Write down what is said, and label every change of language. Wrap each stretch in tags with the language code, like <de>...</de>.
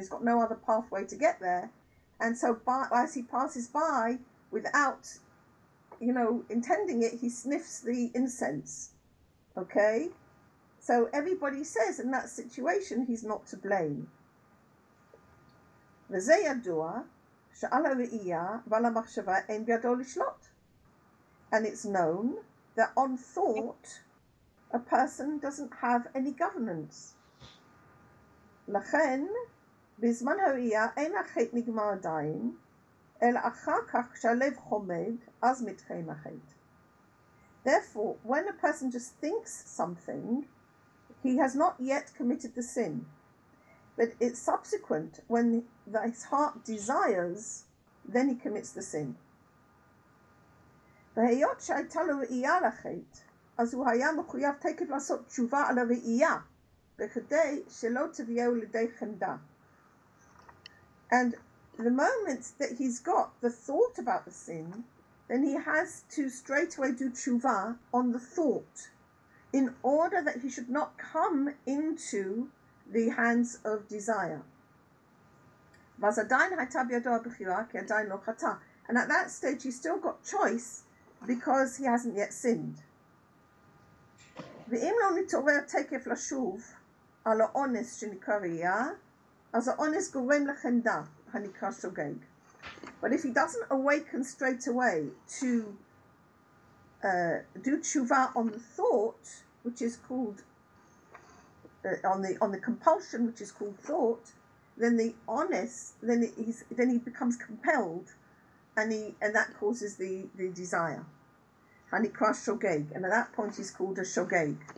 <en>He's got no other pathway to get there. And so as he passes by, without, you know, intending it, he sniffs the incense, okay? So everybody says in that situation he's not to blame.</en> <he>וזה ידוע שעל הראייה ועל המחשבה אין בידו לשלוט.</he> <en>And it's known that on thought a person doesn't have any governance.</en> <he>לכן בזמן הראייה אין החטא נגמר עדיין, אלא אחר כך כשהלב חומד אז מתחיל החטא.</he> <en>Therefore, when a person just thinks something, he has not yet committed the sin, but it's subsequent when his heart desires, then he commits the sin.</en> <he>והיות שהייתה לו ראייה לחטא, אז הוא היה מחויב תקף לעשות תשובה על הראייה, בכדי שלא תביאו לידי חנדה.</he> <en>And the moment that he's got the thought about the sin, then he has to straight away do tshuva on the thought, in order that he should not come into the hands of desire.</en> <he>ואז עדיין הייתה בידו הבחירה, כי עדיין לא חטא.</he> <en>And at that stage, he still got choice because he hasn't yet sinned.</en> <he>ואם לא נתעורר תקף לשוב על האונס שנקרא ראייה, אז האונס גורם לחנדה, הנקרא שוגג.</he> <en>But if he doesn't awaken straight away to do tshuva on the thought, which is called on the compulsion, which is called thought, then the honest, then he becomes compelled, and that causes the desire, and he crashes shogeg, and at that point he's called a shogeg.</en>